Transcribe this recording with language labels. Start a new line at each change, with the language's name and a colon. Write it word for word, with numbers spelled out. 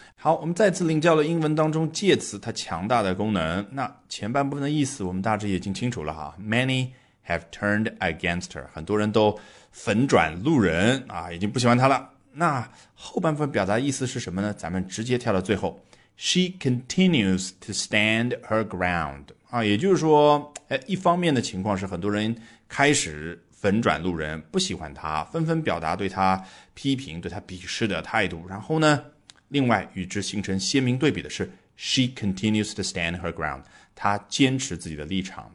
Chinese: 好，我们再次领教了英文当中介词它强大的功能。那前半部分的意思我们大致已经清楚了哈。
English: Many have turned against her，
Chinese: 很多人都粉转路人啊，已经不喜欢她了。那后半部分表达意思是什么呢？咱们直接跳到最后。
English: She continues to stand her ground。
Chinese: 啊，也就是说，哎，一方面的情况是很多人开始粉转路人，不喜欢她，纷纷表达对她批评、对她鄙视的态度。然后呢，另外与之形成鲜明对比的是
English: she continues to stand her ground，
Chinese: 她坚持自己的立场。